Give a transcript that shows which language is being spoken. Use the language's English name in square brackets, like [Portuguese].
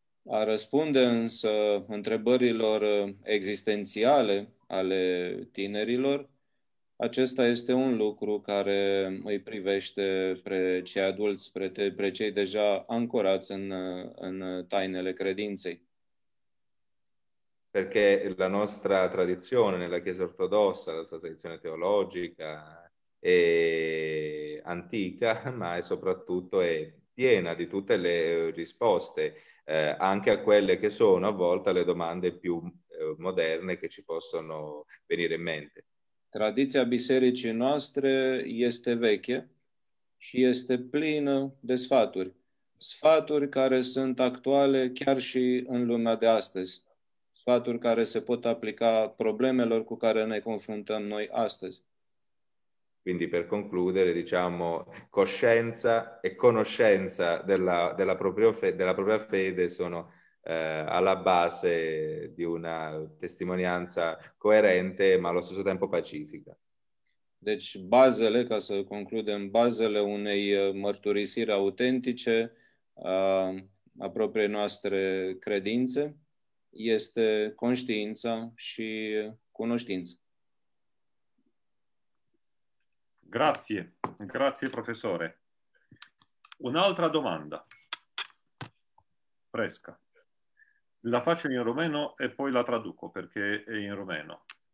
[Romanian] A răspunde însă întrebărilor existențiale ale tinerilor, acesta este un lucru care îi privește spre cei adulți, spre cei deja ancorați în tainele credinței. [Italian] Perché la nostra tradizione nella Chiesa ortodossa, la nostra tradizione teologica è antica, ma soprattutto è piena di tutte le risposte, anche a quelle che sono a volte le domande più moderne che ci possono venire in mente. [Romanian] Tradiția bisericii noastre este veche și este plină de sfaturi. Sfaturi care sunt actuale chiar și în lumea de astăzi. Sfaturi care se pot aplica problemelor cu care ne confruntăm noi astăzi. [Italian] Quindi per concludere, diciamo, coscienza e conoscenza della propria fede sono alla base di una testimonianza coerente, ma allo stesso tempo pacifica. [Romanian] Deci, bazele, ca să concludem, bazele unei mărturisiri autentice a propriei noastre credințe este conștiința și cunoștința. [Italian] Grazie, grazie professore. Un'altra domanda. Fresca. La faccio in rumeno e poi la traduco perché è in rumeno.